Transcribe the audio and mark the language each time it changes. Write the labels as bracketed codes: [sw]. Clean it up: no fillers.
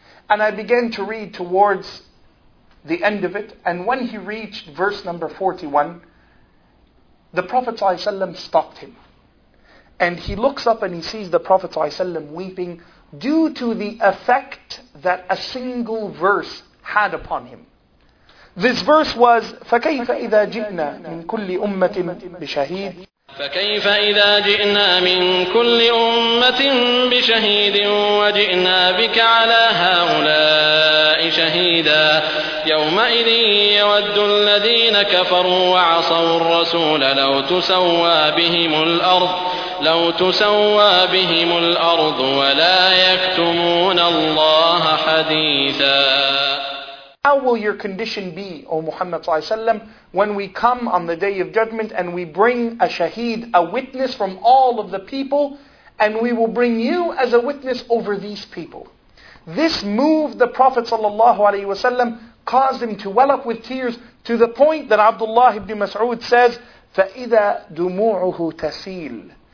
[en] And I began to read towards the end of it. And when he reached verse number 41, the Prophet ﷺ stopped him. And he looks up and he sees the Prophet ﷺ weeping due to the effect that a single verse had upon him. This verse was, [ar] فَكَيْفَ إِذَا جِئْنَا مِنْ كُلِّ أُمَّةٍ بِشَهِيدٍ. فَكَيْفَ إِذَا جِئْنَا مِنْ كُلِّ أُمَّةٍ بِشَهِيدٍ وَجِئْنَا بِكَ عَلَى هَؤُلَاءِ شَهِيدًا. يَوْمَئِذٍ يَوَدُّ الَّذِينَ كَفَرُوا وَعَصَوُا الرَّسُولَ لَوْ تُسَوَّى بِهِمُ الْأَرْضُ لو تسوى بهم الأرض ولا يكتمون الله حديثا. [en] How will your condition be, O Muhammad صلى الله عليه وسلم, when we come on the Day of Judgment and we bring a shaheed, a witness from all of the people, and we will bring you as a witness over these people? This move, the Prophet ﷺ, caused him to well up with tears to the point that Abdullah ibn Mas'ud says, [ar] فَإِذَا دُمُوعُهُ تَسِيلُ.